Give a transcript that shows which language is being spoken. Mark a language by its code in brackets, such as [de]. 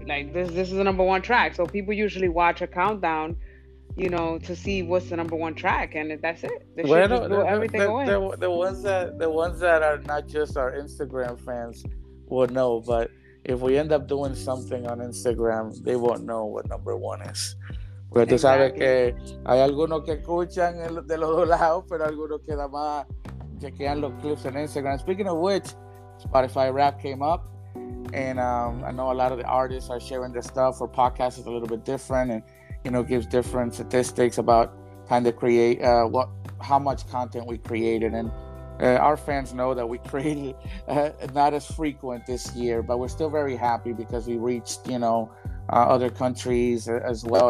[en] Like, this is the number one track. So people usually watch a countdown, you know, to see what's the number one track, and that's it. The ones that are not just our Instagram fans will know, but if we end up doing something on Instagram, they won't know what number one is. [es] Pero tú sabes que hay algunos que escuchan de los dos lados, pero algunos que nada más chequean los clips en Instagram. [en] Speaking of which, Spotify Wrapped came up, and I know a lot of the artists are sharing their stuff. For podcasts, it's a little bit different, and you know, gives different statistics about kind of create what, how much content we created. And our fans know that we created not as frequent this year, but we're still very happy because we reached, you know, other countries as well.